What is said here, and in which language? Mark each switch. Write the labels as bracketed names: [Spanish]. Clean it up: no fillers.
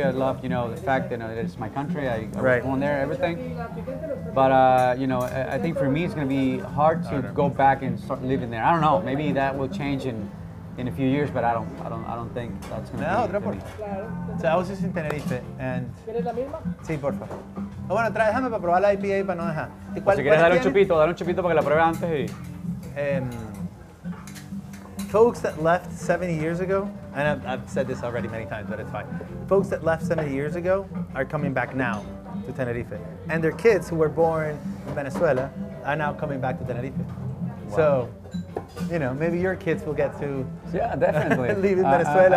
[English] I love, you know, the fact that, you know, it's my country. I was born there, everything. But you know, I think for me it's going to be hard to go back and start living there. I don't know. Maybe that will change in in a few years, but I don't think that's going to be. [Spanish] Otra puerta. Claro. [English] So I was just in Tenerife, and. [Spanish] ¿Quieres la misma? Sí, por favor. Oh, bueno, tráeme para probar la IPA para no dejar. ¿Y cuál, si quieres dar un chupito, dar un chupito para que la pruebe antes y. [English] Folks that left 70 years ago, and I've said this already many times, but it's fine. Folks that left 70 years ago are coming back now to Tenerife. And their kids who were born in Venezuela are now coming back to Tenerife. Wow. So, you know, maybe your kids will get to leave in Venezuela.